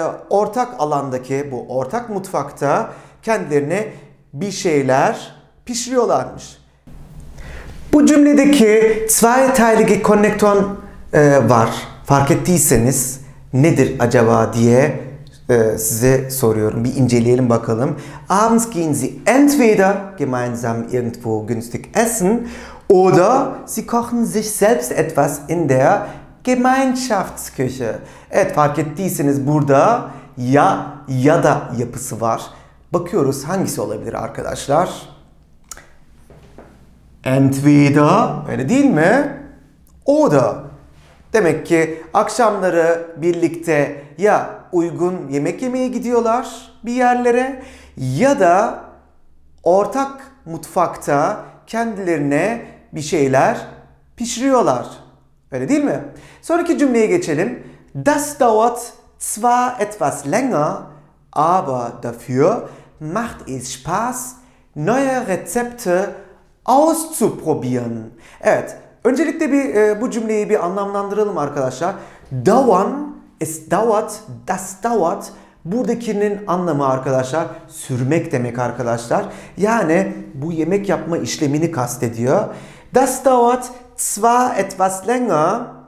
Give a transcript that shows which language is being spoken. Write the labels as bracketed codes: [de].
[tr] Ortak alandaki, bu ortak mutfakta kendilerine bir şeyler pişiriyorlarmış. Bu cümledeki zwei teilige Konnektoren var. Fark ettiyseniz nedir acaba diye size soruyorum. Bir inceleyelim bakalım. [de] Abends gehen Sie entweder gemeinsam irgendwo günstig essen oder Sie kochen sich selbst etwas in der Gemeinschaftsküche. [tr] Evet, fark ettiyseniz burada ya ya da yapısı var. Bakıyoruz hangisi olabilir arkadaşlar? Entweder, öyle değil mi? Oder. Demek ki akşamları birlikte ya uygun yemek yemeye gidiyorlar bir yerlere, ya da ortak mutfakta kendilerine bir şeyler pişiriyorlar. Öyle değil mi? Sonraki cümleye geçelim. [de] Das dauert zwar etwas länger, aber dafür macht es Spaß, neue Rezepte auszuprobieren. [tr] Evet. Öncelikle bir bu cümleyi bir anlamlandıralım arkadaşlar. [de] Dauern, es dauert, das dauert. [tr] Buradakinin anlamı arkadaşlar sürmek demek arkadaşlar. Yani bu yemek yapma işlemini kastediyor. [de] Das dauert zwar etwas länger.